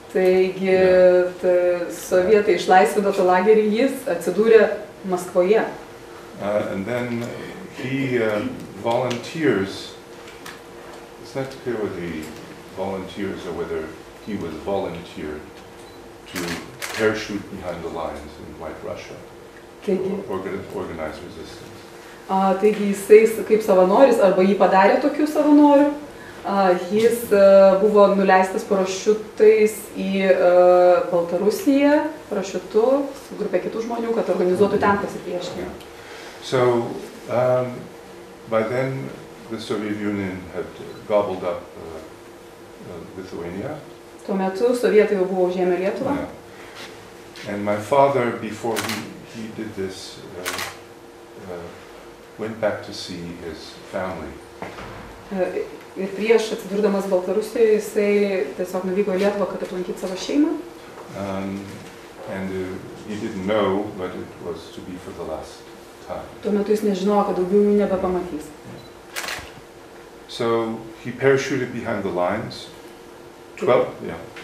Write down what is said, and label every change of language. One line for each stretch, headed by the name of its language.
Lithuanian: Taigi sovietai išlaisvino tą lagerį, jis atsidūrė Maskvoje.
English: And then he volunteers. It's not clear whether he volunteers or whether he was volunteered to parachute behind the lines in White Russia to organize resistance.
Lithuanian: Taigi jisai kaip savanoris arba jį padarė tokiu savanoriu. Jis buvo nuleistas parašiutais į Baltarusiją, parašiutu, su grupė kitų žmonių, kad organizuotų ten pasipriešinimą.
English: So, by then, the Soviet Union had gobbled up Lithuania.
Lithuanian: Tuo metu sovietai jau buvo užėmę Lietuvą.
English: And my father, before he did this, went back to see his family.
Lithuanian: Ir prieš atsidurdamas Baltarusijoje, jisai tiesiog nuvyko į Lietuvą, kad aplankyti savo šeimą. Tuo metu jis nežinojo, kad daugiau jų nebepamatys.
English: So he parachuted behind the lines. 12, yeah.